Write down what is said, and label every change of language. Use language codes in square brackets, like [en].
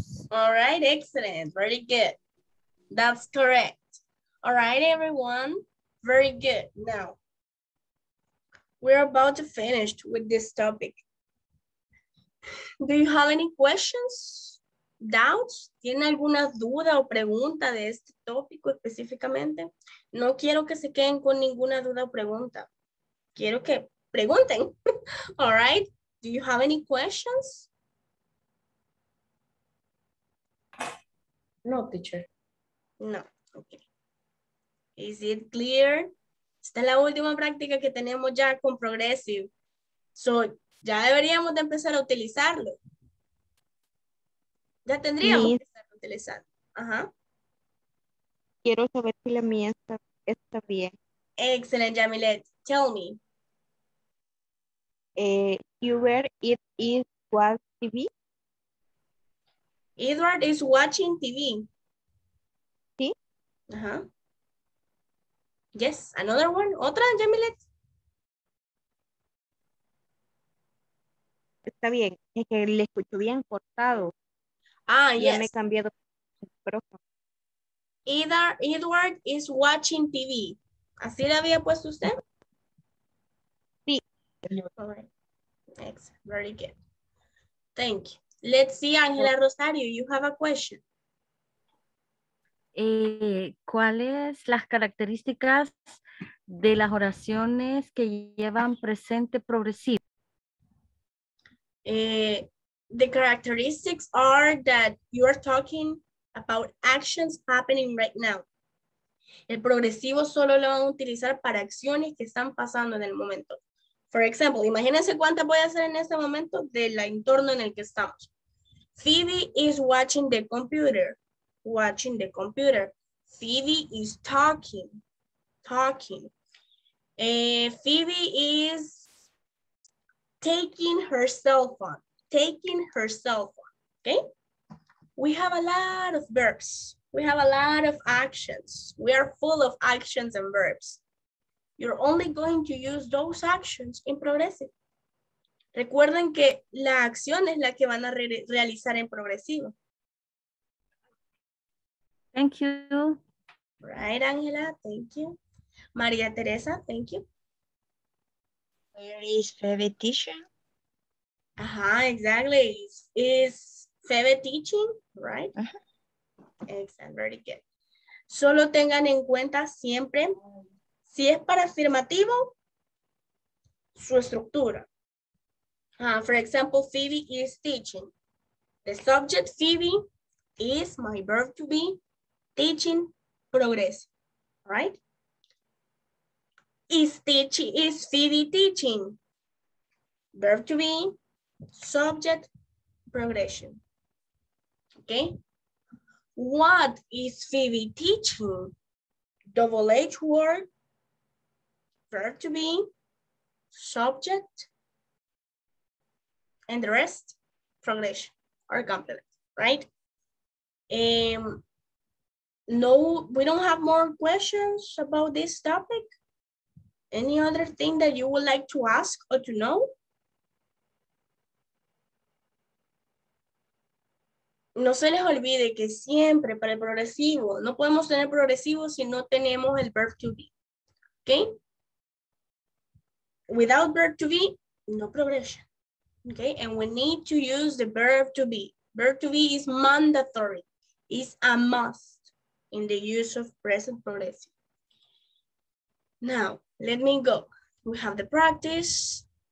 [en] All right, excellent. Very good. That's correct. All right, everyone. Very good. Now, we're about to finish with this topic. Do you have any questions, doubts? [es] ¿Tiene alguna duda o pregunta de este tópico específicamente? No quiero que se queden con ninguna duda o pregunta. Quiero que pregunten. [en] All right. Do you have any questions? No, teacher. No. Okay. Is it clear? [es] Esta es la última práctica que tenemos ya con Progressive. So, ya deberíamos de empezar a utilizarlo. Ya tendríamos que empezar a utilizarlo. Ajá. Quiero saber si la mía está bien. [en] Excelente, Yamilet. Tell me. Edward, it is watching TV. Edward is watching TV. [es] Sí. [en] Ajá. Yes, another one. Otra, Yamilet. [es] Está bien, es que le escucho bien cortado. Ah, ya [en] yes. [es] Me he cambiado el micrófono. [en] Edward is watching TV. [es] ¿Así le había puesto usted? Sí. [en] All right. Excellent. Very good. Thank you. Let's see, Angela Rosario, you have a question. [es] ¿Cuáles las características de las oraciones que llevan presente progresivo? [en] The characteristics are that you are talking about actions happening right now. [es] El progresivo solo lo van a utilizar para acciones que están pasando en el momento. [en] For example, [es] imagínense cuántas voy a hacer en este momento del entorno en el que estamos. [en] Phoebe is watching the computer. Watching the computer. Phoebe is talking. Talking. Phoebe is taking her cell phone. Taking her cell phone. Okay? We have a lot of verbs. We have a lot of actions. We are full of actions and verbs. You're only going to use those actions in progressive. [es] Recuerden que la acción es la que van a realizar en progresivo. [en] Thank you. Right, Angela. Thank you. María Teresa, thank you. Where is Febe teaching? Uh-huh, exactly. Is Febe teaching, right? Uh-huh. Excellent, very good. [es] Solo tengan en cuenta siempre, si es para afirmativo, su estructura. [en] For example, Phoebe is teaching. The subject Phoebe is my verb to be teaching progress, right? Is Phoebe teaching? Verb to be, subject, progression. Okay? What is Phoebe teaching? Double H word, verb to be, subject, and the rest, progression or complement, right? No, we don't have more questions about this topic. Any other thing that you would like to ask or to know? [es] No se les olvide que siempre para el progresivo, no podemos tener progresivo si no tenemos el verb to be, okay? [en] Without verb to be, no progression, okay? And we need to use the verb to be. Verb to be is mandatory, is a must in the use of present progressive. Now, let me go. We have the practice.